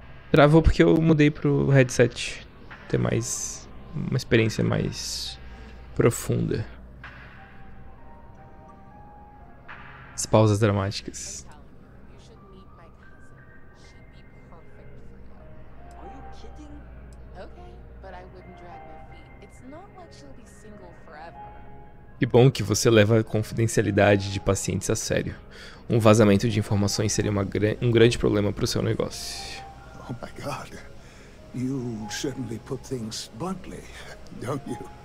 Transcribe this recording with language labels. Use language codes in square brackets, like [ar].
[pt] Travou porque eu mudei pro headset ter mais uma experiência mais profunda. As pausas dramáticas. [en] Okay, but I wouldn't drag my feet. It's not like she'll be single forever. [pt] Que bom que você leva a confidencialidade de pacientes a sério. Um vazamento de informações seria um grande problema para o seu negócio. [en] Oh my God. You certainly put things bluntly, don't you?